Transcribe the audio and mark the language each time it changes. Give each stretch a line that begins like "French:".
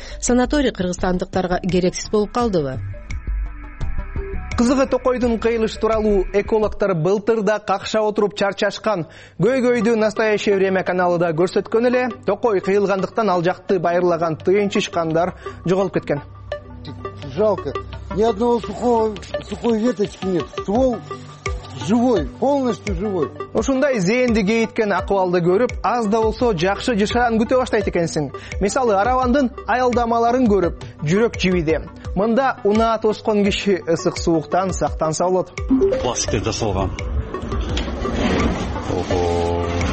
Kyrgyz: Санаторий кыргызстандыктарга керексиз болуп калдыбы? Кызыгы токойдун кыйылышы тууралуу экологтор былтыр да какша отуруп чарчашкан. Көйгөйдү Настоящее время каналыда көрсөткөн эле, токой кыйылгандыктан ал жакты байырлаган тыйынчышкандар жоголуп кеткен.
Russian: Жалко. Ни одного сухой веточки нет. Ствол живой, полностью живой.
Kyrgyz: Ушундай зээнди кейиткен акыбалды көрүп, аз да болсо жакшы жышаан күтө баштайт экенсиң. Мисалы, аравандын аялдамаларын көрүп, жүрөк жибиди. Мында унаа тоскон киши ысык сууктан сактанса болот. Пластиктен жасалган. Ого.